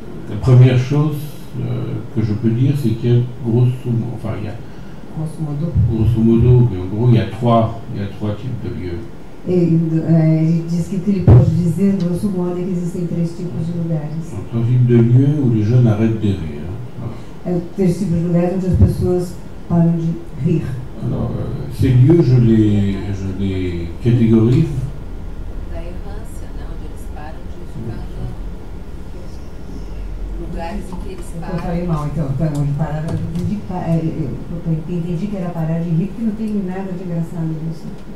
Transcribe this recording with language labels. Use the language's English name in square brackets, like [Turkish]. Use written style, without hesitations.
[French] La première chose que je peux dire, c'est qu'il y a grosso modo, enfin il y a grosso modo. Grosso modo, mais en gros il y a trois types de lieux. [Portuguese] Ele diz que o que ele pode dizer, grosso modo, é que existem três tipos de lugares. [French] Trois types de lieux où les jeunes arrêtent de rire. [Portuguese] Três tipos de lugares onde as pessoas param de rir. [French] Alors, ces lieux, je les catégorise. [Portuguese] Da errância, né, onde eles param de ficar. Lugares em que eles param. Eu falei mal, então. Então, onde pararam de rir. Eu entendi que era parar de rir, porque não tem nada de engraçado nisso.